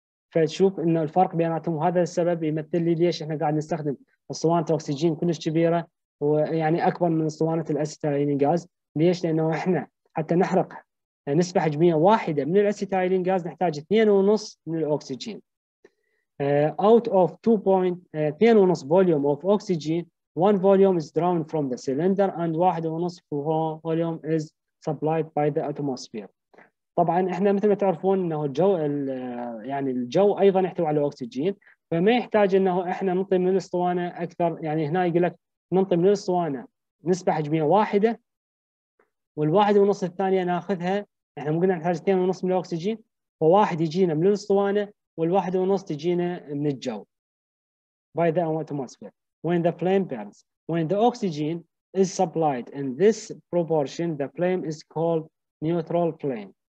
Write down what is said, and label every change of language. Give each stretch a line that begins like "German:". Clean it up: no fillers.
Arabic: فتشوف أن الفرق بيناتهم، وهذا السبب يمثل لي ليش إحنا قاعد نستخدم أسطوانة أكسجين كلش كبيرة، ويعني أكبر من أسطوانة الأسيتايلين غاز. ليش؟ لأنه إحنا حتى نحرق نسبة حجمية واحدة من الأسيتايلين غاز نحتاج 2.5 من الأكسجين.
English: Out of 2.5 volume of oxygen, one volume is drawn from the cylinder and 1.5 volume is supplied by the atmosphere.
Arabic: طبعا احنا مثل ما تعرفون انه الجو يعني الجو ايضا يحتوي على اكسجين، فما يحتاج انه احنا ننطي من الاسطوانه اكثر. يعني هنا يقول لك ننطي من الاسطوانه نسبه حجميه واحده، والواحد ونص الثانيه ناخذها، احنا ممكن نحتاج 2.5 من الاكسجين، فواحد يجينا من الاسطوانه والواحد ونص تجينا من الجو.
English: By the atmosphere. When the flame burns, when the oxygen is supplied in this proportion, the flame is called neutral flame.